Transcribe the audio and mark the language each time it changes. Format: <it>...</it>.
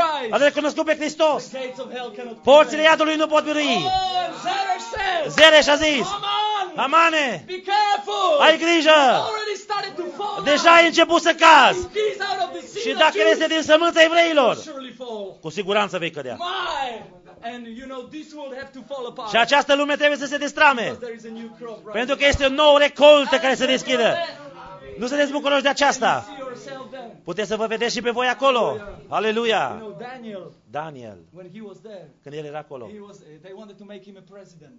<ro>A recunoscut pe Hristos. Porțile iadului nu pot birui. Zeresh a zis, Hamane,</ro> <en>be careful!</en> <ro>Ai grijă! Deja ai început să cazi. Și dacă este din sămânța evreilor, cu siguranță vei cădea.</ro> <en>And you know this world have to fall apart.</en> <ro>Și această lume trebuie să se destrame.</ro> <en>Because there is a new crop right.</en> <ro>Pentru că este o nouă recoltă care se deschide. Nu sunteți bucuroși de aceasta? Puteți să vă vedeți și pe voi acolo. Aleluia.</ro> <en>You know, Daniel. When he was there,</en> <ro>când el era acolo.</ro> <en>They wanted to make him a president.</en>